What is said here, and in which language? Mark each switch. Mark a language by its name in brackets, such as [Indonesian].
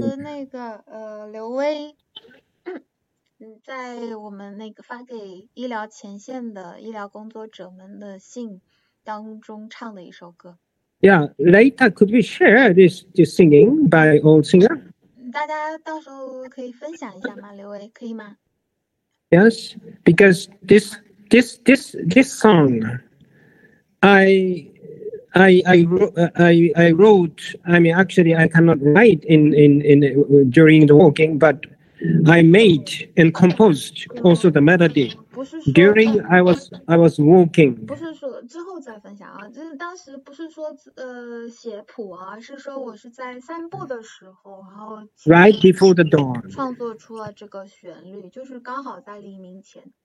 [Chinese] 当时那个刘威，在我们那个发给医疗前线的医疗工作者们的信当中唱的一首歌。 [English] Yeah, later could we share this singing by old singer? [Chinese] 大家到时候可以分享一下吗？刘威，可以吗 [English] ？Yes, because this song, I wrote. I mean, actually, I cannot write in during the walking, but I made and composed also the melody. During I was walking. [Chinese] 不是说之后再分享啊，就是当时不是说写谱啊，是说我是在散步的时候，然后 [English] right before the dawn [Chinese] 创作出了这个旋律，就是刚好在黎明前。